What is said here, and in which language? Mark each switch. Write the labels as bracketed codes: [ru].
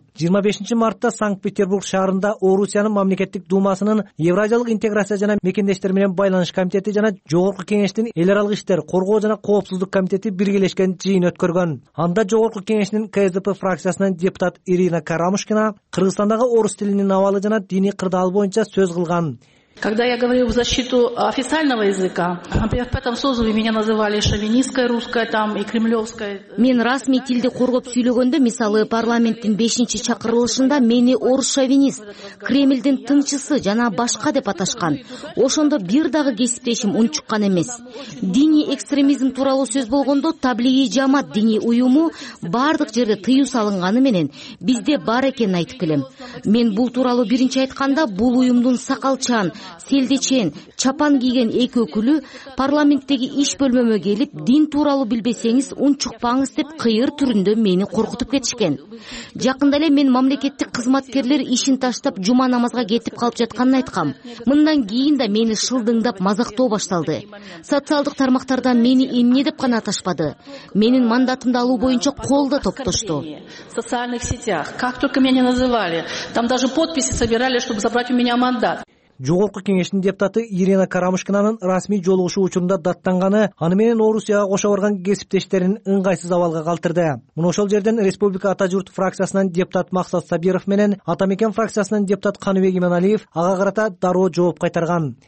[ky] 25 мартта Санкт-Петербург шаарында Орусиянын мамлекеттик думасынын Евразиялык интеграция жана мекендештер менен байланыш комитети жана Жогорку кеңештин эл аралык иштер, коргоо жана коопсуздук комитети биргелешкен жыйын өткөргөн. Анда Жогорку кеңештин КСДП фракциясынан депутат Ирина Карамушкина Кыргызстандагы орус тилинин абалы жана диний кырдаал боюнча сөз кылган. [ru] Когда я говорю в защиту официального языка, например, в этом созыве меня называли шовинистской русской там и кремлевской. [ky] Мен расмий тилди коргоп сүйлөгөндө, мисалы, парламенттин 5-чи чакырылышында мени орус шовинист, Кремлдин тынчысы жана башка деп аташкан. Ошондо бир дагы кесиптешим унчуккан эмес. Диний экстремизм тууралуу сөз болгондо таблиги жамаат диний уюму бардык жерде тыюу салынганы менен бизде бар экенин айтып келем. Мен бул тууралуу биринчи айтканда бул уюмдун сакалчан, селдечен, чапан кийген эки өкүлү парламенттеги иш бөлмөмө келип, дин тууралуу билбесеңиз унчукпаңыз деп кыйыр түрүндө мени коркутуп кетишкен. Жакында эле мен мамлекеттик кызматкерлер ишин таштап жума намазга кетип калып жатканын айткам. Мындан кийин да мени шылдыңдап мазактоо башталды. Социалдык тармактарда мени эмне деп гана аташпады. Менин мандатымды алуу боюнча кол да топтошту. [ru] Социалдык сетях, как только меня называли, там даже подписи собирали, чтобы забрать у меня мандат. [ky] Жогорку кеңештин депутаты Ирина Карамушкинанын расмий жолугушуу учурунда даттанганы аны менен Орусияга кошо барган кесиптештерин ыңгайсыз абалга калтырды. Муну ошол жерден Республика Атажурт фракциясынан депутат Максат Сабиров менен Атамекен фракциясынан депутат Каныбек Иманалиев ага карата дароо жооп кайтарган.